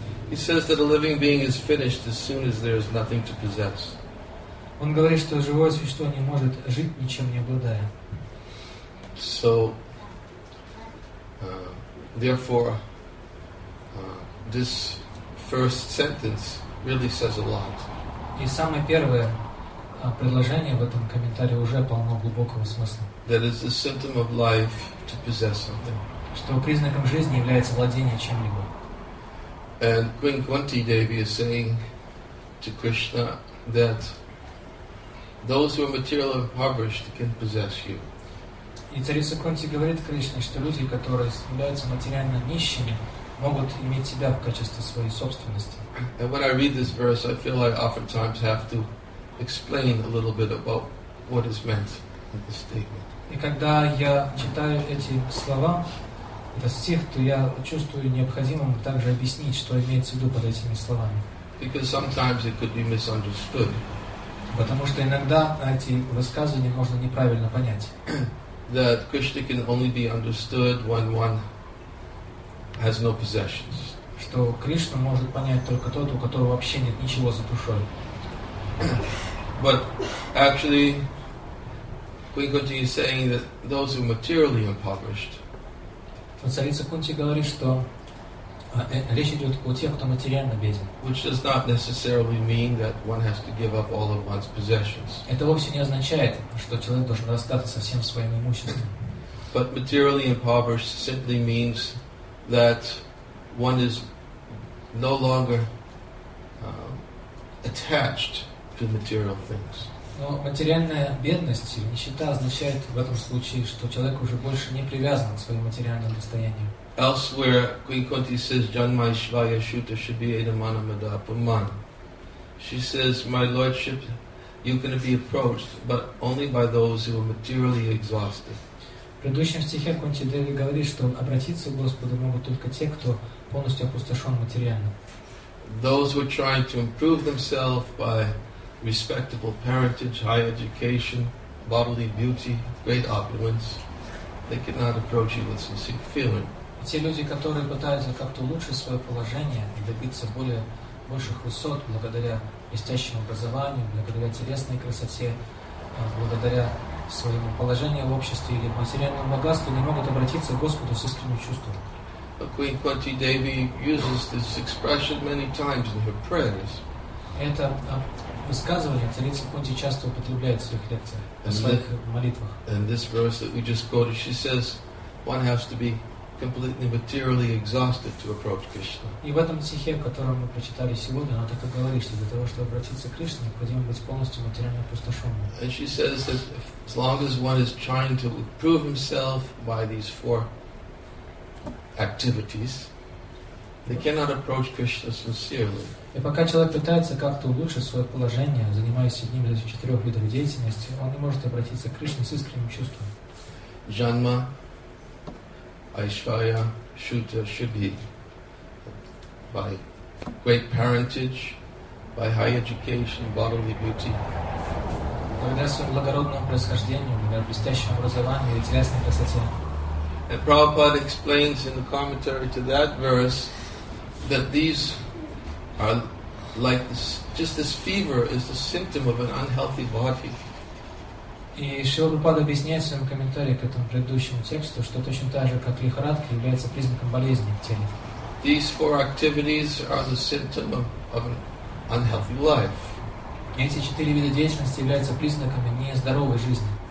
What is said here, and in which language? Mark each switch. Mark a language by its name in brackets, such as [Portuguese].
[English] He says that a living being is finished as soon as there is nothing to possess. [Russian] Он говорит, что живое существо не может жить ничем не обладая. [English] So, therefore, this first sentence really says a lot. [Russian] И самое первое предложение в этом комментарии уже полно глубокого смысла. [English] That is the symptom of life to possess something. [Russian] Что признаком жизни является владение чем-либо. [English] And Queen Kunti Devi is saying to Krishna that Those who are materially impoverished can possess you. [Russian] И царица Кунти говорит Кришне, что люди, которые являются материально нищими, могут иметь себя в качестве своей собственности. [English] And when I read this verse, I feel like oftentimes have to explain a little bit about what is meant in this statement. [Russian] И когда я читаю эти слова, этот стих, то я чувствую необходимым также объяснить, что имеется в виду под этими словами. [English] Because sometimes it could be misunderstood. [Russian] Потому что иногда эти высказывания можно неправильно понять. [English] That Krishna can only be understood when one has no possessions. [Russian] Что Кришну может понять только тот, у которого вообще нет ничего за душой. [English] But actually, Queen Kunti is saying that those who are materially impoverished. [Russian] Но царица Кунти говорит, что речь идет о тех, кто материально беден. [English] Which does not necessarily mean that one has to give up all of one's possessions. [Russian] Это вовсе не означает, что человек должен расстаться со всем своим имуществом. [English] But materially impoverished simply means that one is no longer attached to material things. [Russian] Но материальная бедность, нищета, означает в этом случае, что человек уже больше не привязан к своим материальным достояниям. [English] Elsewhere, Queen Kunti says, [Sanskrit] "Janmai Shvaya Shuta Shubhi Edamana Madapaman." [English] She says, "My lordship, you can be approached, but only by those who are materially exhausted." [Russian] В предыдущем стихе Кунти Деви говорит, что обратиться к Господу могут только те, кто полностью опустошен материально. [English] Those who are trying to improve themselves by respectable parentage, high education, bodily beauty, great opulence, they cannot approach you with sincere feeling. [Russian] Те люди, которые пытаются как-то улучшить свое положение и добиться более больших высот благодаря блестящему образованию, благодаря телесной красоте, благодаря своему положению в обществе или материальному богатству, не могут обратиться к Господу с искренним чувством. [English] But Queen Kunti Devi uses this expression many times in her prayers. [Russian] Это высказывание царицы Кунти часто употребляет в своих лекциях, в своих молитвах. [English] And this verse that we just quoted, she says, one has to be completely materially exhausted to approach Krishna. [Russian] И в этом стихе, который мы прочитали сегодня, она так и говорит, что для того, чтобы обратиться к Кришне, необходимо быть полностью материально опустошенным. [English] And she says that as long as one is trying to improve himself by these four activities, they cannot approach Krishna sincerely. [Russian] И пока человек пытается как-то улучшить свое положение, занимаясь одним из четырех видов деятельности, он не может обратиться к Кришне с искренним чувством. [Sanskrit] Janma, Aishvaya, Shuta, Shubhi. [English] By great parentage, by high education, bodily beauty. [Russian] Благодаря своему благородному происхождению, благодаря блестящему образованию и телесной красоте. [English] And Prabhupada explains in the commentary to that verse that these are like this, just this fever is the symptom of an unhealthy body. [Russian] И Шрила Прабхупада объясняет в своем комментарии к этому предыдущему тексту, что точно так же, как лихорадка, является признаком болезни в теле. [English] These four activities are the symptom of an unhealthy life. [Russian] Эти четыре вида деятельности являются признаками нездоровой жизни.